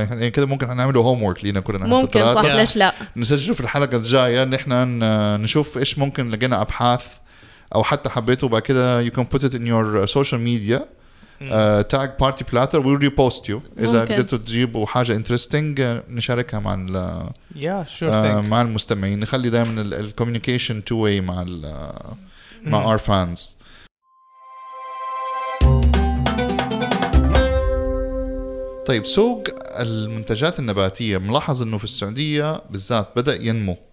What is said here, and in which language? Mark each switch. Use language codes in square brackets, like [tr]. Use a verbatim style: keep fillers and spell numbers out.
[ar] يعني كده ممكن نعمله homework لينا كلنا. ممكن صح، ليش لا؟ نسجل في الحلقة الجاية نحنا نشوف إيش ممكن لقينا أبحاث أو حتى حبيته بقى كده. [en] You can put it in your social media. Uh, tag party platter will repost you. [ar] إذا قدرتوا تجيبوا حاجة interesting نشاركها مع ال [en] yeah, sure [ar] uh, مع المستمعين. نخلي دائما ال [en] communication two way [ar] مع ال mm. [en] مع our fans. [ar] طيب، سوق المنتجات النباتية ملاحظ إنه في السعودية بالذات بدأ ينمو.